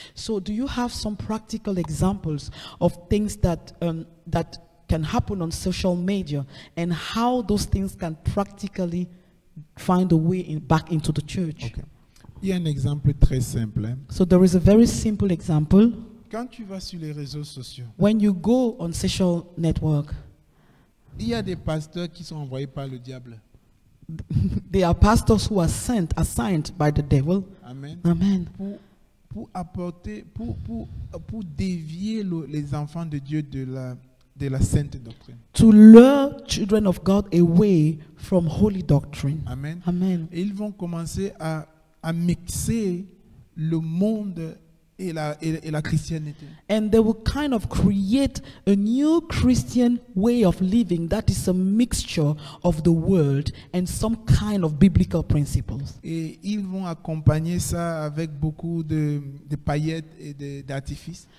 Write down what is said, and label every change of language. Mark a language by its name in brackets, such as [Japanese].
[English] So do you have some practical examples of things that that can happen on social media and how those things can practically find a way back into the church? [French] Okay. Il y a un exemple très simple. Hein? [English] So there is a very simple example. [French] Quand tu vas sur les réseaux sociaux, [English] when you go on social network, [French] il y a des pasteurs qui sont envoyés par le diable. [English] There are pastors who are sent, assigned by the devil. Amen. Amen. [French] Pour dévier les enfants de Dieu de la sainte doctrine. [English] To lure children of God away from holy doctrine. Amen. Amen. [French] Et ils vont commencer à mixer le monde et la christianité. [English] And they will kind of create a new Christian way of living that is a mixture of the world and some kind of biblical principles. [French] Et ils vont accompagner ça avec beaucoup de paillettes et d'artifices.